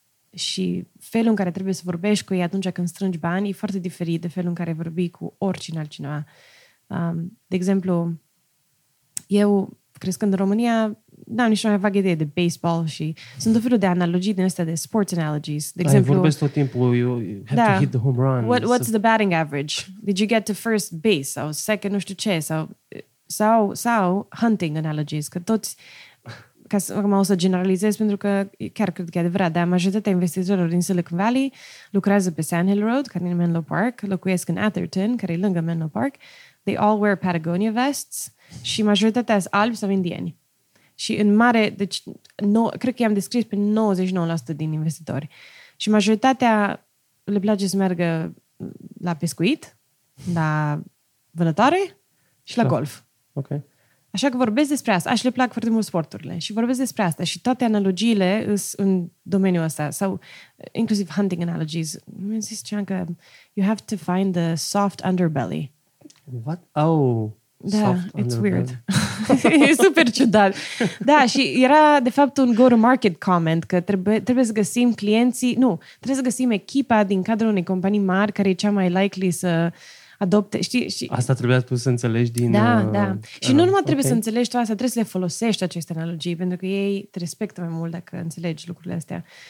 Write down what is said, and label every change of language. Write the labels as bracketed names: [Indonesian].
[Romanian] Și felul în care trebuie să vorbești cu ei atunci când strângi bani e foarte diferit de felul în care vorbi cu oricine altcineva. De exemplu, eu, crescând în România, n-am nici mai vagă idee de baseball și sunt o felul de analogii din astea de [English] sports analogies. [Romanian] De exemplu, vorbesc tot timpul, [English] you have to hit the home run. What's the batting average? Did you get to first base? [Romanian] Sau second, nu știu ce? Sau [English] hunting analogies? [Romanian] Că toți, ca să o să generalizez, pentru că chiar cred că e adevărat, dar majoritatea investitorilor din Silicon Valley lucrează pe Sand Hill Road, care e în Menlo Park, locuiesc în Atherton, care e lângă Menlo Park. [English] They all wear Patagonia vests [Romanian] și majoritatea sunt albi sau indieni. Și în mare, deci cred că i-am descris pe 99% din investitori. Și majoritatea le place să meargă la pescuit, la vânătoare și la golf. Ok. Așa că vorbesc despre asta. Și le plac foarte mult sporturile. Și vorbesc despre asta. Și toate analogiile sunt în domeniul ăsta. Sau inclusiv [English] hunting analogies. [Romanian] Mi-am zis ceva că [English] you have to find the soft underbelly. What? Oh. [Romanian] Da, [English] it's weird. [Romanian] E super ciudat. Da, și era de fapt un go-to-market comment că trebuie să găsim clienții, nu, trebuie să găsim echipa din cadrul unei companii mari care e cea mai likely să adopte, știi? Asta trebuia tu să înțelegi din... Da, da. Și nu numai trebuie să înțelegi toată asta, trebuie să le folosești aceste analogii, pentru că ei te respectă mai mult dacă înțelegi lucrurile astea.